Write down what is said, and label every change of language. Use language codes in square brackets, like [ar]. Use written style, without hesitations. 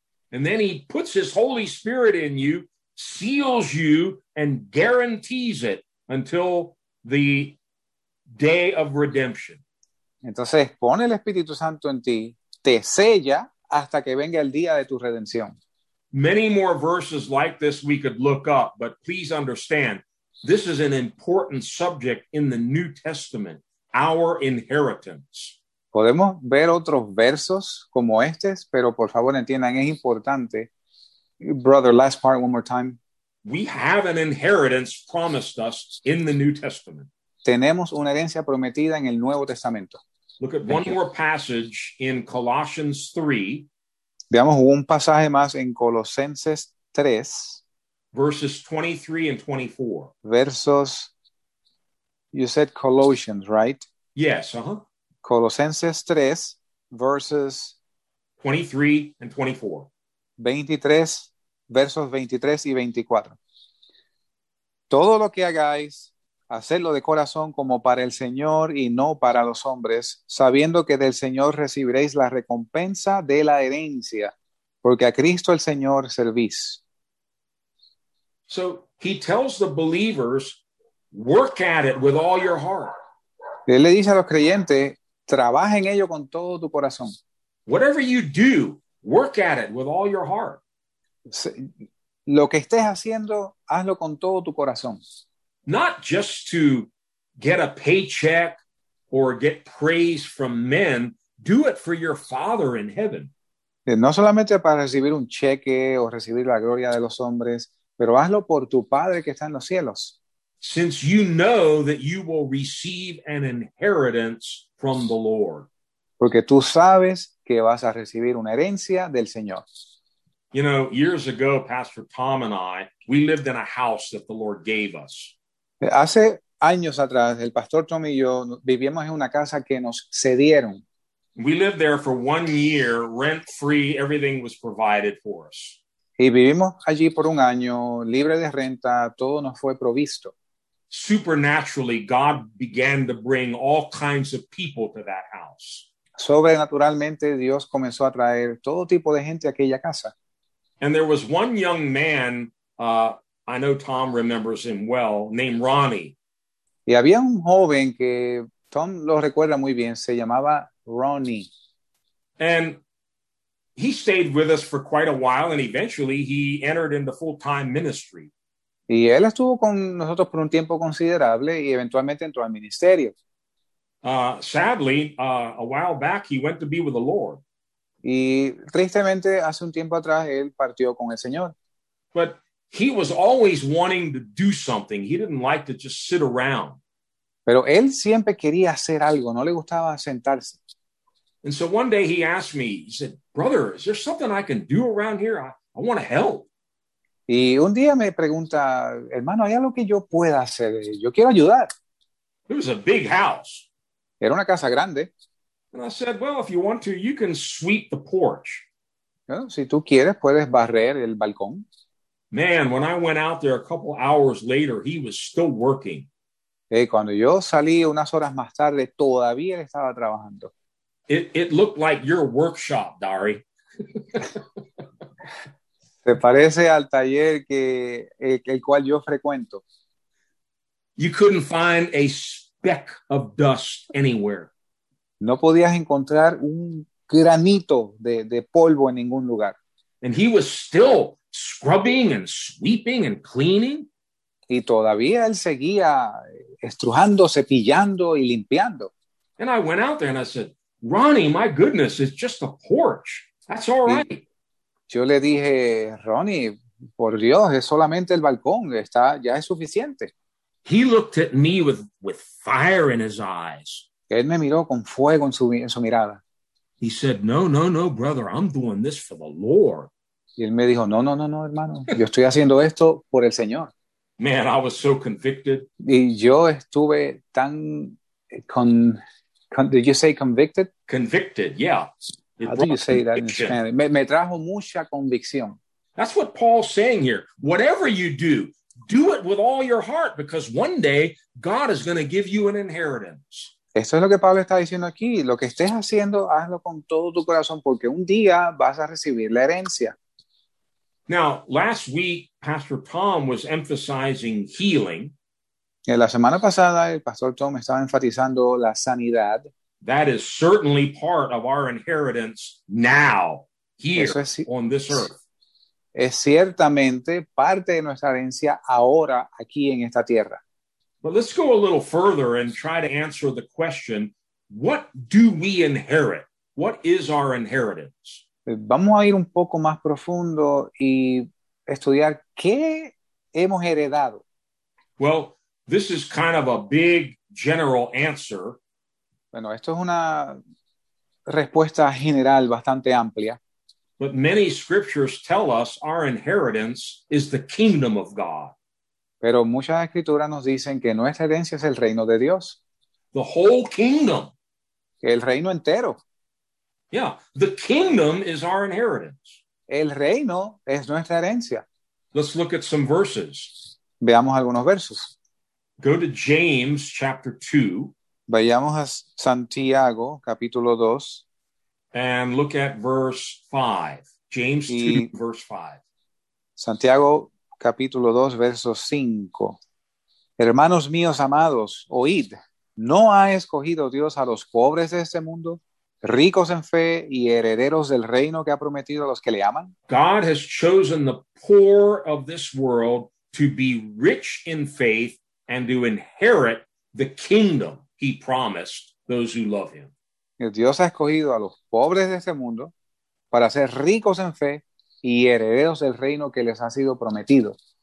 [en] And then he puts his Holy Spirit in you, seals you, and guarantees it until the day of redemption. [es] Entonces pone el Espíritu Santo en ti, te sella hasta que venga el día de tu redención. [en] Many more verses like this we could look up, but please understand, This is an important subject in the New Testament, our inheritance. [es] Podemos ver otros versos como estos, pero por favor entiendan, es importante. [en] Brother, last part one more time. We have an inheritance promised us in the New Testament. [es] Tenemos una herencia prometida en el Nuevo Testamento. [en] Look at Thank one you. More passage in Colossians 3. [es] Veamos un pasaje más en Colosenses 3. [en] Verses 23 and 24. Versos, you said Colossians, right? Yes, uh-huh. [es] Colosenses 3, verses [en] 23 and 24. [es] 23, versos 23 y 24. Todo lo que hagáis, hacedlo de corazón como para el Señor y no para los hombres, sabiendo que del Señor recibiréis la recompensa de la herencia, porque a Cristo el Señor servís. [en] So, he tells the believers, work at it with all your heart. [es] Él le dice a los creyentes, trabaja en ello con todo tu corazón. [en] Whatever you do, work at it with all your heart. [es] Lo que estés haciendo, hazlo con todo tu corazón. [en] Not just to get a paycheck or get praise from men, do it for your Father in heaven. [es] No solamente para recibir un cheque o recibir la gloria de los hombres, pero hazlo por tu Padre que está en los cielos. [en] Since you know that you will receive an inheritance from the Lord. [es] Porque tú sabes que vas a recibir una herencia del Señor. [en] You know, years ago, Pastor Tom and I, we lived in a house that the Lord gave us. [es] Hace años atrás, el Pastor Tom y yo vivíamos en una casa que nos cedieron. [en] We lived there for 1 year, rent free, everything was provided for us. [es] Y vivimos allí por un año, libre de renta, todo nos fue provisto. [en] Supernaturally, God began to bring all kinds of people to that house. [es] Sobrenaturalmente, Dios comenzó a traer todo tipo de gente a aquella casa. [en] And there was one young man, I know Tom remembers him well, named Ronnie. [es] Y había un joven que Tom lo recuerda muy bien, se llamaba Ronnie. [en] And he stayed with us for quite a while, and eventually he entered into full-time ministry. [es] Y él estuvo con nosotros por un tiempo considerable y eventualmente entró al ministerio. [en] Sadly, a while back, he went to be with the Lord. [es] Y tristemente, hace un tiempo atrás, él partió con el Señor. [en] But he was always wanting to do something. He didn't like to just sit around. [es] Pero él siempre quería hacer algo. No le gustaba sentarse. [en] And so one day he asked me, he said, brother, is there something I can do around here? I want to help. [es] Y un día me pregunta, hermano, ¿hay algo que yo pueda hacer? Yo quiero ayudar. [en] It was a big house. [es] Era una casa grande. [en] And I said, well, if you want to, you can sweep the porch. [es] Bueno, si tú quieres, puedes barrer el balcón. [en] Man, when I went out there a couple hours later, he was still working. [es] Hey, cuando yo salí unas horas más tarde, todavía él estaba trabajando. [en] It looked like your workshop, Dari. [es] Se parece al taller que el cual yo frecuento. [en] You couldn't find a speck of dust anywhere. [es] No podías encontrar un granito de polvo en ningún lugar. [en] And he was still scrubbing and sweeping and cleaning. [es] Y todavía él seguía estrujando, cepillando y limpiando. [en] And I went out there and I said, Ronnie, my goodness, it's just a porch. That's all right. [es] Yo le dije, Ronnie, por Dios, es solamente el balcón, está, ya es suficiente. [en] He looked at me with fire in his eyes. [es] Él me miró con fuego en su mirada. [en] He said, no, brother, I'm doing this for the Lord. [es] Y él me dijo, no, hermano, yo estoy haciendo esto por el Señor. [en] Man, I was so convicted. [es] Y yo estuve tan, [en] did you say convicted? Convicted, yeah. How do you say that in Spanish? [es] Me trajo mucha convicción. [en] That's what Paul's saying here. Whatever you do, do it with all your heart, because one day God is going to give you an inheritance. [es] Esto es lo que Pablo está diciendo aquí. Lo que estés haciendo, hazlo con todo tu corazón, porque un día vas a recibir la herencia. [en] Now, last week, Pastor Tom was emphasizing healing. [es] En la semana pasada, el Pastor Tom estaba enfatizando la sanidad. [en] That is certainly part of our inheritance now, here, on this earth. [es] es ciertamente parte de nuestra herencia ahora aquí en esta tierra. [en] But let's go a little further and try to answer the question, what do we inherit? What is our inheritance? [es] Vamos a ir un poco más profundo y estudiar qué hemos heredado. [en] Well, this is kind of a big general answer. [es] Bueno, esto es una respuesta general bastante amplia. [en] But many scriptures tell us our inheritance is the kingdom of God. [es] Pero muchas escrituras nos dicen que nuestra herencia es el reino de Dios. [en] The whole kingdom. [es] El reino entero. [en] Yeah, the kingdom is our inheritance. [es] El reino es nuestra herencia. [en] Let's look at some verses. [es] Veamos algunos versos. [en] Go to James chapter 2. [es] Vayamos a Santiago capítulo 2. [en] And look at verse 5. James 2 verse 5. [es] Santiago capítulo 2 verso 5. Hermanos míos amados, oíd. ¿No ha escogido Dios a los pobres de este mundo, ricos en fe y herederos del reino que ha prometido a los que le aman? [en] God has chosen the poor of this world to be rich in faith and to inherit the kingdom he promised those who love him. [es] Dios ha escogido a los pobres de este mundo para ser ricos en fe y herederos del reino que les ha sido prometido.